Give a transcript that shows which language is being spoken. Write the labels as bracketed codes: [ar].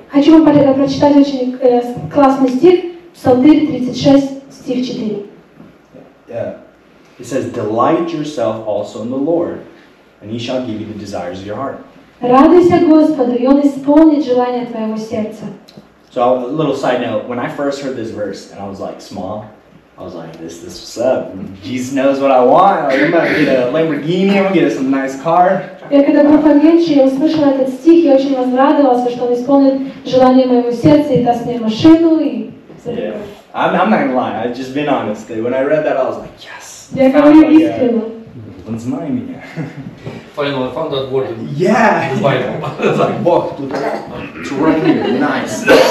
[ru] Хочу вам прочитать очень классный стих, Псалтырь 36, стих 4. [en] Yeah. It says, delight yourself also in the Lord, and He shall give you the desires of your heart. [ru] Радуйся Господу, и Он исполнит желания твоего сердца. [en] So So a little side note, when I first heard this verse and I was like small, I was like, this what's up? Jesus knows what I want. Like, I'm gonna get a Lamborghini, I'm gonna get some nice car. [ru] Я когда проповедовал, я услышала этот стих и очень возрадовалась, что он исполнит желание моего сердца и даст мне машину и. [en] Yeah. I'm not gonna lie, I've just been honest. When I read that, I was like, yes. [ru] Я говорю искренне. Он знает меня. [en] Finally, I found that word in the Bible. It's like, [ru] Бог тут. [en] It's right here. Nice.